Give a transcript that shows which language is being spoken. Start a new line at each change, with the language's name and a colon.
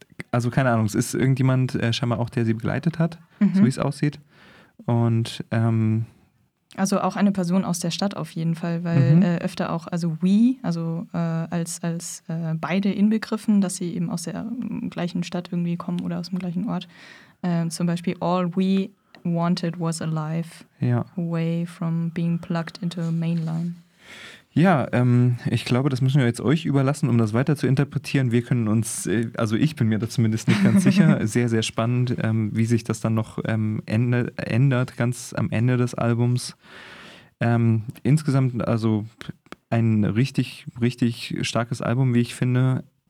German: Also keine Ahnung, es ist irgendjemand scheinbar auch, der sie begleitet hat, so wie es aussieht. Und also auch eine Person aus der Stadt auf jeden Fall, weil öfter auch, also we, also als beide inbegriffen, dass sie eben aus der gleichen Stadt irgendwie kommen oder aus dem gleichen Ort. Zum Beispiel,
English: all we wanted was a life away from being plugged into a mainline.
German: Ja, ich glaube, das müssen wir jetzt euch überlassen, um das weiter zu interpretieren. Wir können uns, also ich bin mir da zumindest nicht ganz sicher, sehr, sehr spannend, wie sich das dann noch ändert, ganz am Ende des Albums. Insgesamt also ein richtig, richtig starkes Album, wie ich finde.